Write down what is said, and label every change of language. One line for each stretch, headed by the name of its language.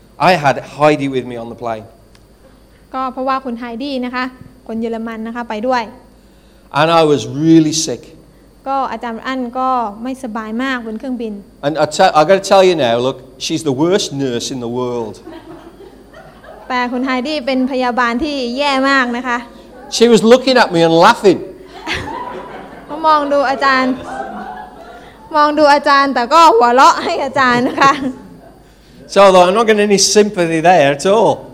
English: I had Heidi with me on the plane.
Thai: ก็เพราะว่าคุณไฮดี้นะคะคนเยอรมันนะคะไปด้วย
English: And I was really sick.
Thai: ก็อาจารย์อันก็ไม่สบายมากบนเครื่องบิน
English: And I got to tell you now, look, she's the worst nurse in the world.
Thai: แต่คุณไฮดี้เป็นพยาบาลที่แย่มากนะคะ
English: She was looking at me and laughing.
Thai: มองดูอาจารย์มองดูอาจารย์แต่ก็หัวเราะให้อาจารย์นะคะ
English: So though I'm not getting any sympathy there at all